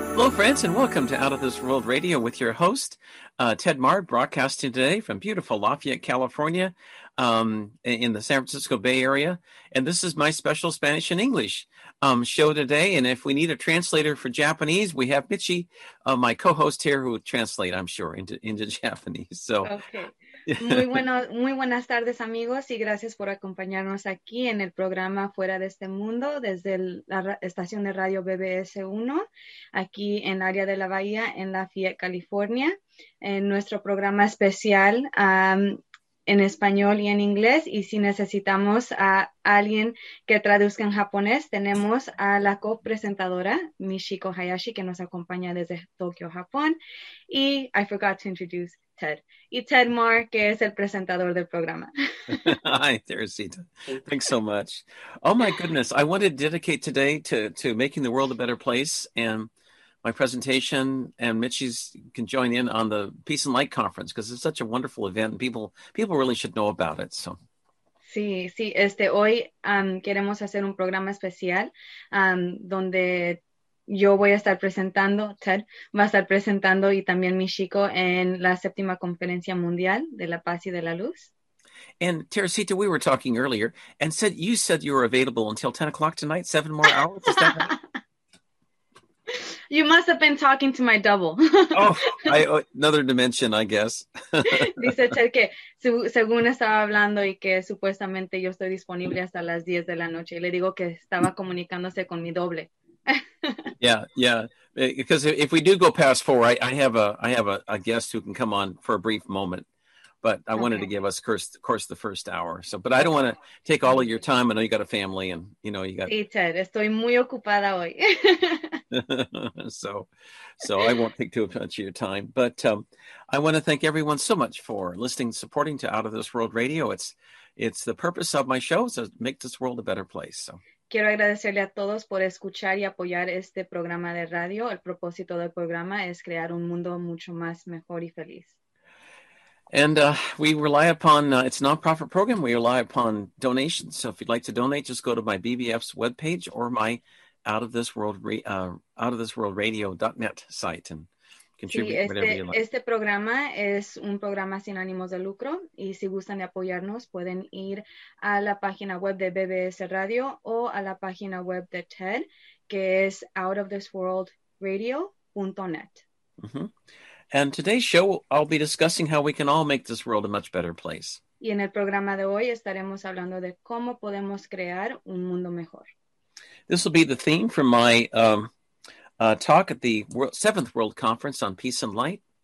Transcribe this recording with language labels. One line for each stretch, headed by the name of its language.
English: friends, and welcome to Out of This World Radio with your host, Ted Marr, broadcasting today from beautiful Lafayette, California, in the San Francisco Bay Area. And this is my special Spanish and English show today. And if we need a translator for Japanese, we have Michi, my co-host here, who will translate, I'm sure, into Japanese. So. Okay.
Spanish: Muy buenas tardes, amigos, y gracias por acompañarnos aquí en el programa Fuera de Este Mundo, desde la estación de radio BBS1, aquí en el área de la Bahía, en Lafayette, California, en nuestro programa especial en español y en inglés. Y si necesitamos a alguien que traduzca en japonés, tenemos a la copresentadora Michi Kohayashi, que nos acompaña desde Tokio, Japón. Y
English: I forgot to introduce Ted.
Spanish: Y Ted Marr, que es el presentador del programa.
English: Hi, Teresita. Thanks so much. Oh my goodness, I want to dedicate today to making the world a better place. And my presentation, and Michi's can join in on the Peace and Light Conference, because it's such a wonderful event, and people really should know about it. So,
Spanish: sí, sí, hoy queremos hacer un programa especial donde yo voy a estar presentando, Ted va a estar presentando, y también Michiko, en la séptima conferencia mundial de la paz y de la luz.
English: And Teresita, we were talking earlier, and you said you were available until 10 o'clock tonight, 7 more hours. Is that right? You must have been talking to my double. another dimension, I guess.
Spanish: Dice Ted que según estaba hablando y que supuestamente yo estoy disponible hasta las 10 de la noche. Y le digo que estaba comunicándose con mi doble.
English: yeah. Because if we do go past four, I have a guest who can come on for a brief moment. But I wanted to give us, of course, the first hour. So, but I don't want to take all of your time. I know you got a family, and you know you got.
Spanish: Sí, Ted, estoy muy ocupada hoy.
English: So I won't take too much of your time. But I want to thank everyone so much for listening, supporting to Out of This World Radio. It's the purpose of my show, to make this world a better place. So.
Spanish: Quiero agradecerle a todos por escuchar y apoyar este programa de radio. El propósito del programa es crear un mundo mucho más mejor y feliz.
English: And we rely upon, it's a nonprofit program, we rely upon donations. So if you'd like to donate, just go to my BBF's webpage or my outofthisworldradio.net site and contribute whatever you like.
Spanish: Este programa es un programa sin ánimos de lucro, y si gustan de apoyarnos, pueden ir a la página web de BBS Radio o a la página web de TED, que es outofthisworldradio.net.
English: And today's show, I'll be discussing how we can all make this world a much better place.
Spanish: Y en el programa de hoy estaremos hablando de cómo podemos crear un mundo mejor.
English: This will be the theme for my talk at the Seventh World Conference on Peace and Light.